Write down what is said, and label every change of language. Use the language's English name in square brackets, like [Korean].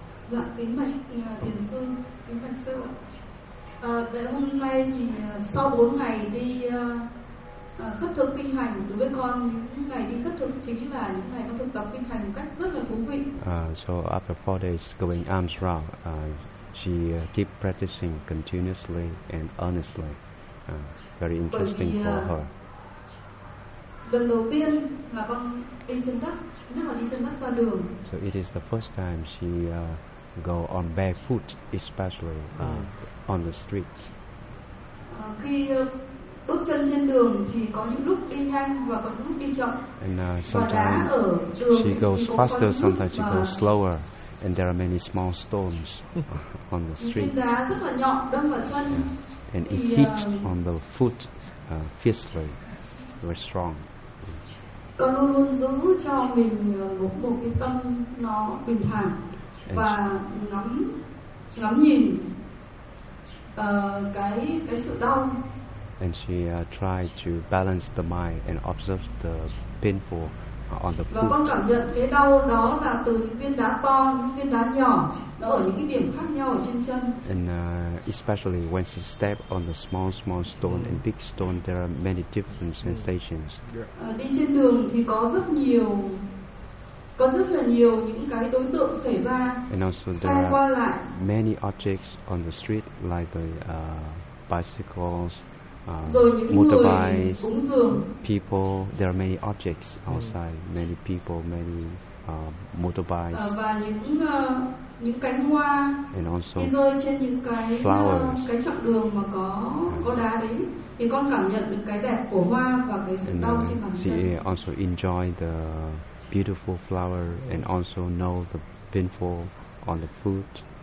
[Vietnamese] Dạ, kính bạch thiền sư, kính bạch sư. Hôm nay thì sau 4 ngày đi khất thực kinh hành, đối với con những ngày đi khất thực chính là những ngày con thực tập kinh hành một cách rất là thú vị. [English] So after 4 days going arms round, she keep practicing continuously and earnestly. Very interesting for her. [Vietnamese] Lần đầu tiên mà con đi chân đất, nhất là đi chân đất ra đường. [English] So it is the first time she go on barefoot, especially on the street. [Vietnamese] Khi bước chân trên đường thì có những lúc đi nhanh và có những lúc đi chậm. [English] And sometimes she goes faster, sometimes she goes slower, and there are many small stones on the street. [Vietnamese] Đá rất là nhọn đâm vào chân. [English] And it hits on the foot fiercely, very strong. [Vietnamese] Con luôn luôn giữ cho mình một cái tâm nó bình thản và ngắm nhìn cái sự đau. [English] And she tried to balance the mind and observe the painful on the [Vietnamese] foot. Và con cảm nhận cái đau đó là từ những viên đá to, những viên đá nhỏ, nó ở những cái điểm khác nhau ở trên chân. [English] And especially when she step on the small stone and big stone, there are many different sensations. [Vietnamese] Đi trên đường thì có rất là nhiều những cái đối tượng xảy ra. [English] And also there are many objects on the street like the bicycles. Motorbikes, people, there are many objects outside, many people, many motorbikes, [Vietnamese] những cánh hoa, [English] and also [Vietnamese] rơi trên những cái [English] flowers, [Vietnamese] cái chặng đường mà có đá đấy, thì con cảm nhận được cái đẹp của hoa và cái sự đau trên bàn chân. [English] She also enjoy the beautiful flower and also know the painful on the foot.